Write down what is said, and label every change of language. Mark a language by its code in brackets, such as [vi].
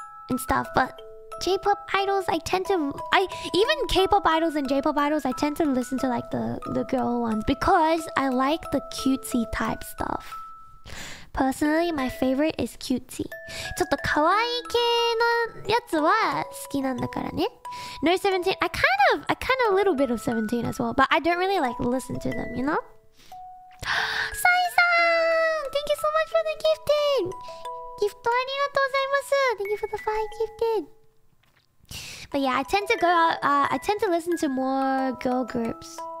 [en] And stuff, but J-pop idols, even K-pop idols and J-pop idols, I tend to listen to like the girl ones because I like the cutesy type stuff. Personally, my favorite is cutesy. [ja] ちょっと可愛い系のやつは好きなんだからね。 [en] No 17, I kind of a little bit of 17 as well, but I don't really like listen to them, you know? Sai-san! Thank you so much for the gifting! [ja] ギフトありがとうございます [en] Thank you for the 5 gifted. But yeah, I tend to go out, I tend to listen to more girl groups.